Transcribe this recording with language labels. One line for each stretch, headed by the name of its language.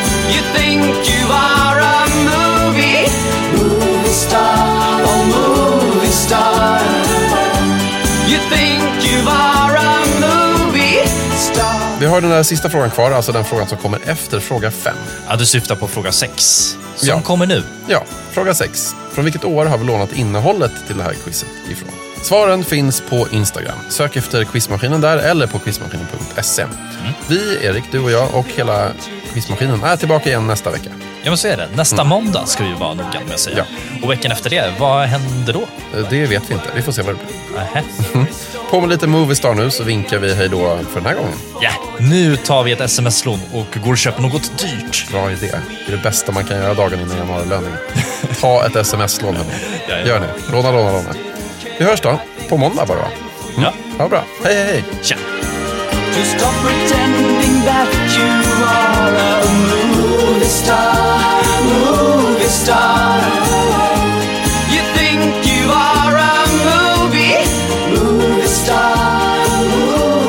English: You think you are a movie star, a movie star. You think you are a movie star.
Swedish: Vi har den där sista frågan kvar, alltså den frågan som kommer efter fråga 5. Ja, du syftar på fråga 6. Som ja. Kommer nu. Ja, fråga 6. Från vilket år har vi lånat innehållet till det här quizet ifrån? Svaren finns på Instagram. Sök efter quizmaskinen där eller på quizmaskinen.se. Mm. Vi, Erik, du och jag och hela quizmaskinen är tillbaka igen nästa vecka. Ja, men så är det. Nästa måndag ska vi vara noga med att säga. Ja. Och veckan efter det, vad händer då? Det vet vi inte. Vi får se vad det blir. Aha. På med lite Movistar nu så vinkar vi hej då för den här gången. Ja, nu tar vi ett sms-lån och går och köper något dyrt. Bra idé. Det är det bästa man kan göra dagen innan man har lönning. Ta ett sms-lån nu. Ja. Gör det. Låna, låna, låna. Vi hörs då, på måndag bara. Mm. Ja. Ha bra. Hej, hej, hej. Tja.
English: To stop pretending that you are a movie star, you think you are a movie star.